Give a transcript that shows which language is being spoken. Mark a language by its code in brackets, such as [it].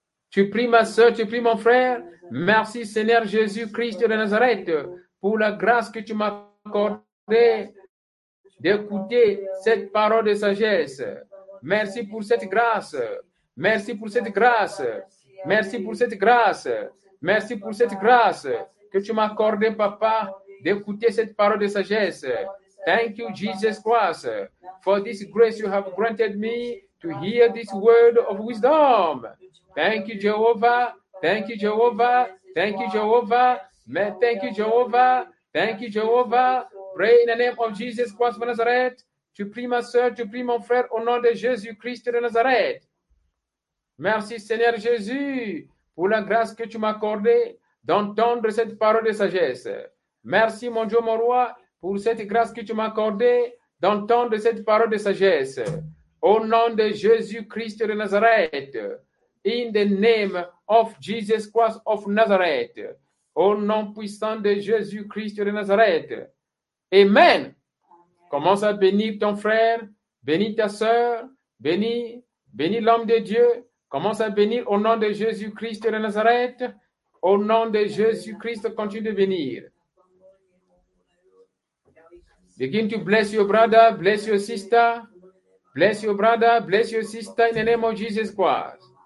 [fr] Tu pries, ma soeur, tu pries, mon frère. Merci, Seigneur Jésus-Christ de Nazareth, pour la grâce que tu m'as accordée d'écouter cette parole de sagesse. Merci pour cette grâce. Merci pour cette grâce. Merci pour cette grâce. Merci pour cette grâce que tu m'as accordée, papa, d'écouter cette parole de sagesse. [en] Thank you, Jesus Christ, for this grace you have granted me to hear this word of wisdom. Thank you, Jehovah. Thank you, Jehovah. Thank you, Jehovah. [fr] Mais [en] thank you, Jehovah. Thank you, Jehovah. Pray in the name of Jesus Christ of Nazareth. [fr] Tu pries, ma soeur, tu pries, mon frère, au nom de Jésus-Christ de Nazareth. Merci, Seigneur Jésus, pour la grâce que tu m'as accordée d'entendre cette parole de sagesse. Merci, mon Dieu, mon roi, pour cette grâce que tu m'as accordée d'entendre cette parole de sagesse. Au nom de Jésus-Christ de Nazareth. [en] In the name of Jesus Christ of Nazareth. [fr] Au nom puissant de Jésus-Christ de Nazareth. Amen. Commence à bénir ton frère, bénis ta sœur, bénis l'homme de Dieu. Commence à bénir au nom de Jésus-Christ de Nazareth. Au nom de Jésus-Christ, continue de bénir. [en] Begin to bless your brother, bless your sister. Bless your brother, bless your sister in the name of Jesus Christ.